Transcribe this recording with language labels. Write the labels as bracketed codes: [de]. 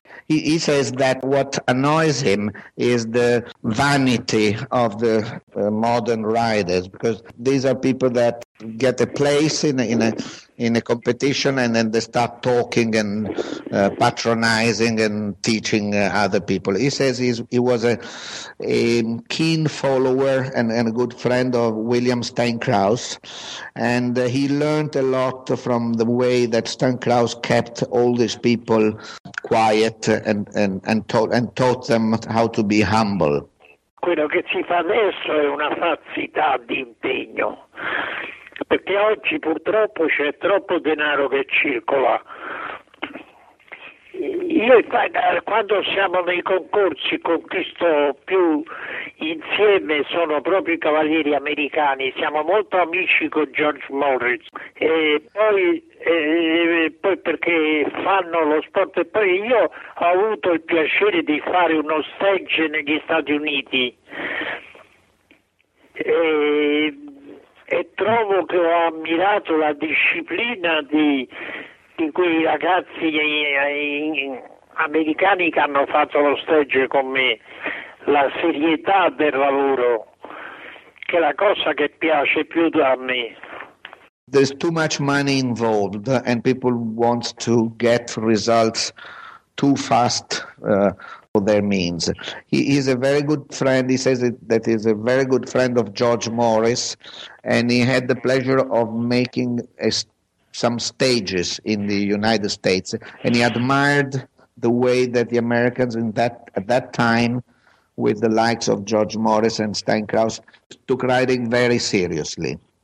[en] He says that what annoys him is the vanity of the modern riders, because these are people that get a place in a competition, and then they start talking and patronizing and teaching other people. He says he was a keen follower and a good friend of William Stein Krauss, and he learned a lot from the way that Stein Krauss kept all these people quiet and taught them how to be humble. [it] Quello che si fa adesso è una falsità di impegno, perché oggi purtroppo c'è troppo denaro che circola. Io quando siamo nei concorsi conquisto più insieme sono proprio i cavalieri americani, siamo molto amici con George Morris e poi perché fanno lo sport e poi io ho avuto il piacere di fare uno stage negli Stati Uniti e trovo che ho ammirato la disciplina di quei ragazzi americani che hanno fatto lo stage con me, la serietà del lavoro, che è la cosa che piace più da me. [en] There's too much money involved and people want to get results too fast for their means. He is a very good friend, he says that he's a very good friend of George Morris, and he had the pleasure of making some stages in the United States, and he admired the way that the Americans at that time, with the likes of George Morris and Stan Krause, took riding very seriously.